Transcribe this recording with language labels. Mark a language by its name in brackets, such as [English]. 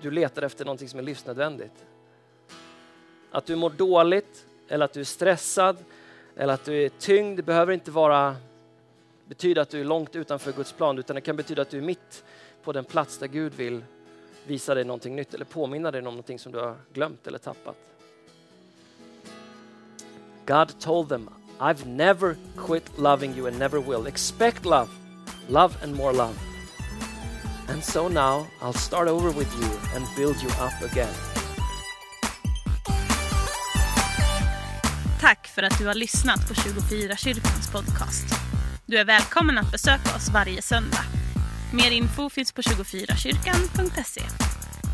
[Swedish] Du letar efter någonting som är livsnödvändigt. Att du mår dåligt, eller att du är stressad, eller att du är tyngd, det behöver inte vara betyda att du är långt utanför Guds plan, utan det kan betyda att du är mitt på den plats där Gud vill visa dig någonting nytt eller påminna dig om någonting som du har glömt eller tappat. [English] God told them, I've never quit loving you and never will. Expect love, love and more love. And so now I'll start over with you and build you up again. [Swedish] Tack för att du har lyssnat på 24 kyrkans podcast. Du är välkommen att besöka oss varje söndag. Mer info finns på 24kyrkan.se.